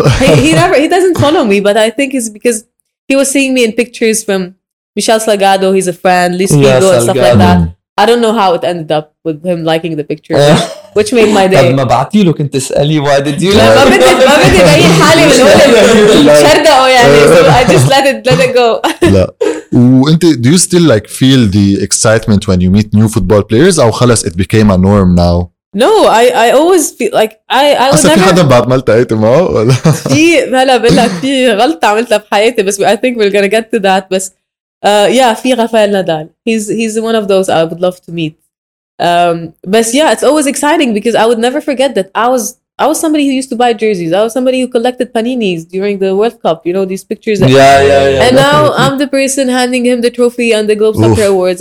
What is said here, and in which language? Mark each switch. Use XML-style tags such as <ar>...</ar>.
<en>He doesn't follow me, but I think it's because he was seeing me in pictures from Michel Salgado, he's a friend, Luis Figo, and stuff like that. I don't know how it ended up with him liking the picture, which made my day.</en> <ar>ما بعتي له كنت تسألي</ar> <en>why did you like it?</en> <ar>ما بدي بأي حالة من ولا شرده يعني.</ar> <en>I just let it go.</en> <ar>لا. وانت</ar> <en>do you still like feel the excitement when you meet new football players?</en> <ar>أو خلاص</ar> <en>it became a norm now. No, I always feel like I was never.</en> <ar>في حدا بعد ما التقيت معه ولا. في هلا بقولك في غلطة عملتها بحياتي بس</ar> <en>I think we're gonna get to that.</en> <ar>بس</ar> <en>yeah,</en> <ar>في رافائيل نادال.</ar> <en>He's one of those I would love to meet. But yeah, it's always exciting because I would never forget that I was somebody who used to buy jerseys. I was somebody who collected paninis during the World Cup. You know these pictures. Yeah. And now I'm the person handing him the trophy and the Globe Soccer Awards.</en>